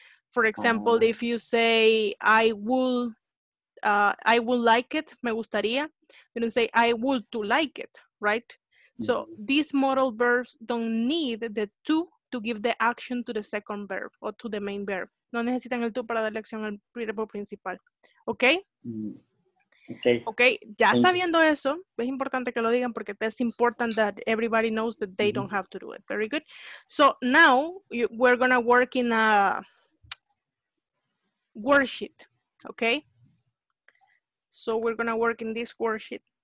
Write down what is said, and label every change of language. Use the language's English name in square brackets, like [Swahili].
[English] For example, if you say, I would like it, [Spanish] me gustaría, [English] you don't say, I would to like it, right? So these modal verbs don't need the to give the action to the second verb or to the main verb. [Spanish] No necesitan el to para darle acción al verbo principal. ¿Ok? Okay. Ya sabiendo eso, es importante que lo digan porque [English] it's important that everybody knows that they don't have to do it. Very good. So now we're going to work in a worksheet. ¿Ok? So we're going to work in this worksheet.